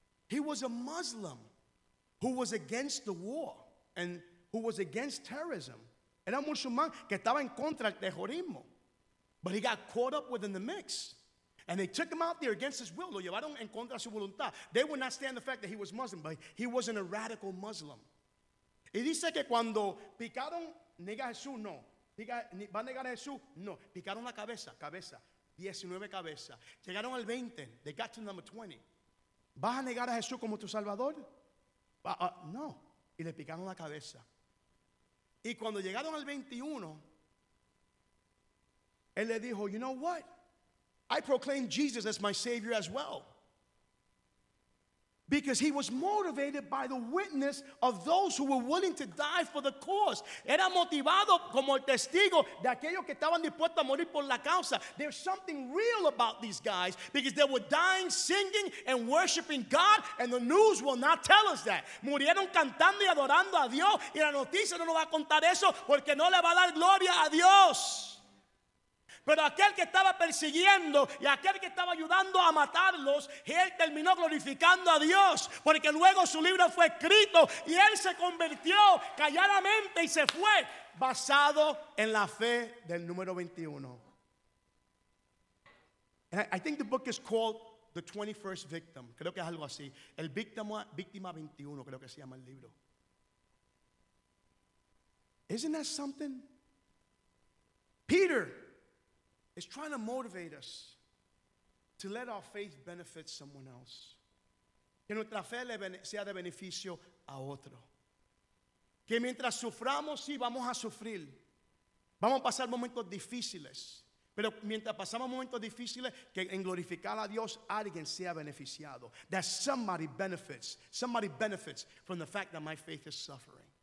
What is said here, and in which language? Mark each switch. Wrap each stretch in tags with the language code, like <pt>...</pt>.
<en>He was a Muslim who was against the war and who was against terrorism.</en> <es>Era un musulmán que estaba en contra del terrorismo.</es> <en>But he got caught up within the mix. And they took him out there against his will.</en> <es>Lo llevaron en contra su voluntad.</es> <en>They would not stand the fact that he was Muslim, but he wasn't a radical Muslim.</en> <es>Y dice que cuando picaron, niega a Jesús, no. Va a negar a Jesús, no. Picaron la cabeza, 19 cabezas. Llegaron al 20,</es> <en>they got to number 20.</en> <es>¿Vas a negar a Jesús como tu salvador? No. Y le picaron la cabeza. Y cuando llegaron al 21, él le dijo,</es> <en>you know what? I proclaim Jesus as my Savior as well. Because he was motivated by the witness of those who were willing to die for the cause.</en> <es>Era motivado como el testigo de aquellos que estaban dispuestos a morir por la causa.</es> <en>There's something real about these guys because they were dying, singing, and worshiping God, and the news will not tell us that.</en> <es>Murieron cantando y adorando a Dios, y la noticia no nos va a contar eso porque no le va a dar gloria a Dios. Pero aquel que estaba persiguiendo y aquel que estaba ayudando a matarlos, él terminó glorificando a Dios, porque luego su libro fue escrito y él se convirtió calladamente y se fue basado en la fe del número 21.</es> <en>And I think the book is called The 21st Victim.</en> <es>Creo que es algo así. El víctima 21, creo que se llama el libro.</es> <en>Isn't that something? Peter is trying to motivate us to let our faith benefit someone else.</en> <es>Que nuestra fe sea de beneficio a otro. Que mientras suframos, sí, vamos a sufrir. Vamos a pasar momentos difíciles. Pero mientras pasamos momentos difíciles, que en glorificar a Dios, alguien sea beneficiado.</es> <en>That somebody benefits. Somebody benefits from the fact that my faith is suffering.</en>